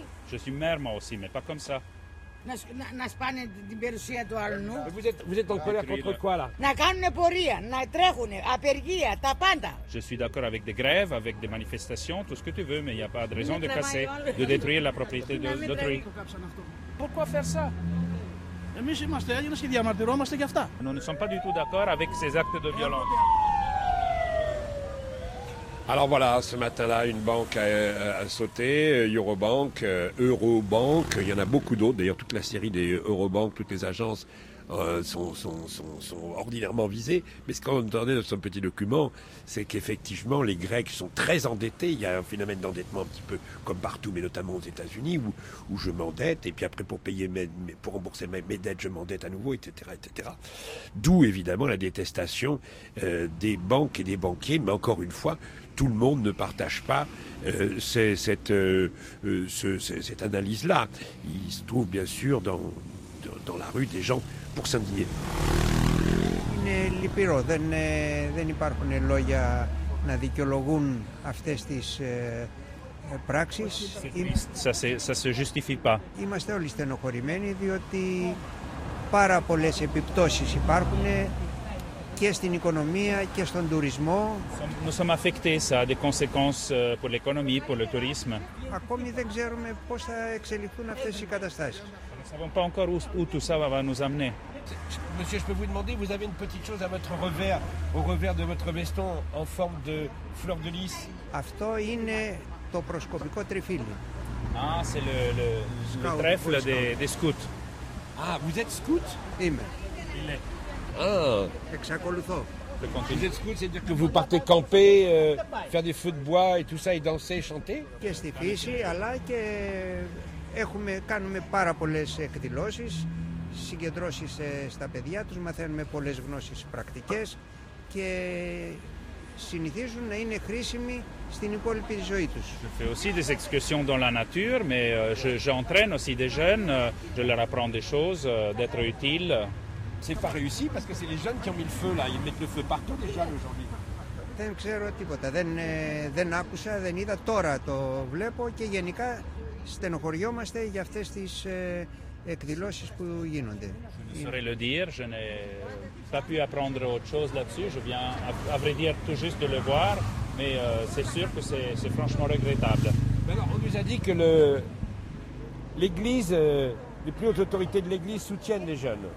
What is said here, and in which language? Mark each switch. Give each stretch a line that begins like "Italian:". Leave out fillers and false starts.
French: Je suis mère moi aussi, mais pas comme ça.
Greek: Να σπάνε την περιουσία του αλλού.
French: Vous êtes en colère contre quoi là?
Greek: Να κάνουν πορεία, να τρέχουν, απεργία, τα πάντα.
French: Je suis d'accord avec des grèves, avec des manifestations, tout ce que tu veux, mais il n'y a pas de raison de casser, de détruire la propriété d'autrui. Pourquoi faire ça?
Greek: Εμείς είμαστε Έλληνες και διαμαρτυρόμαστε για αυτά.
French: Non, nous ne sommes pas du tout d'accord avec ces actes de violence. Alors voilà, ce matin-là, une banque a sauté, Eurobank, Eurobank, il y en a beaucoup d'autres, d'ailleurs toute la série des Eurobank, toutes les agences sont ordinairement visées. Mais ce qu'on entendait dans son petit document, c'est qu'effectivement, les Grecs sont très endettés. Il y a un phénomène d'endettement un petit peu comme partout, mais notamment aux États-Unis, où je m'endette, et puis après, pour payer pour rembourser mes dettes, je m'endette à nouveau, etc. etc. D'où, évidemment, la détestation des banques et des banquiers. Mais encore une fois, tout le monde ne partage pas cette analyse-là. Il se trouve, bien sûr, dans la rue, des gens pour s'indigner.
Greek: Είναι λυπηρό, δεν υπάρχουν λόγια να δικαιολογούν αυτές τις πράξεις.
French: Ça se justifie pas.
Greek: Είμαστε όλοι στενοχωρημένοι διότι πάρα πολλές επιπτώσεις υπάρχουν και στην οικονομία και στον τουρισμό.
French: Nous sommes affectés, ça a des conséquences pour l'économie, pour le tourisme.
Greek: Ακόμη δεν ξέρουμε πώς θα εξελιχθούν αυτές οι καταστάσεις.
French: Nous ne savons pas encore où tout ça va nous amener. Monsieur, je peux vous demander, vous avez une petite chose à votre revers, au revers de votre veston en forme de fleur de lys.
Greek: Αυτό είναι το προσκοπικό τριφύλλο.
French: Ah, c'est le trèfle des scouts. Ah, vous êtes scout?
Greek: Είμαι.
French: Il est.
Greek: Ah. Εξακολουθώ.
French: Vous êtes scout, c'est-à-dire que vous partez camper, faire des feux de bois et tout ça, et danser, chanter?
Greek: Και στη φύση, αλλά και... Κάνουμε πάρα πολλές εκδηλώσεις, συγκεντρώσεις στα παιδιά τους, μαθαίνουμε πολλές γνώσεις πρακτικές και συνηθίζουν να είναι χρήσιμοι στην υπόλοιπη ζωή τους.
French: Je fais aussi des excursions dans la nature, mais j'entraîne aussi des jeunes, je leur apprends des choses, d'être utile. C'est pas réussi parce que c'est les jeunes qui ont mis le feu là, ils mettent le feu partout déjà aujourd'hui.
Greek: Δεν ξέρω τίποτα, δεν άκουσα, δεν είδα, τώρα το βλέπω και γενικά... Στενοχωριόμαστε για αυτές τις εκδηλώσεις που γίνονται.
French: Je ne saurais le dire, je n'ai pas pu apprendre autre chose là-dessus. Je viens à vrai dire tout juste de le voir, mais c'est sûr que c'est franchement regrettable. Mais alors, on nous a dit que l'Église, les plus hautes autorités de l'Église soutiennent les jeunes.